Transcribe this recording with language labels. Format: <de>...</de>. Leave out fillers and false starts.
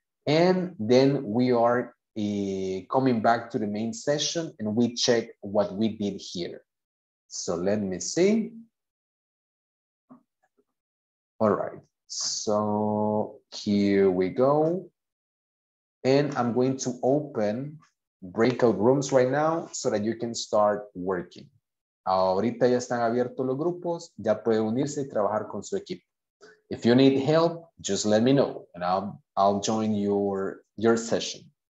<en>And then we are coming back to the main session and we check what we did here. So let me see. All right. So here we go. And I'm going to open breakout rooms right now so that you can start working.</en> <es>Ahorita ya están abiertos los grupos, ya puede unirse y trabajar con su equipo.</es> <en>If you need help, just let me know and I'll join your session.</en>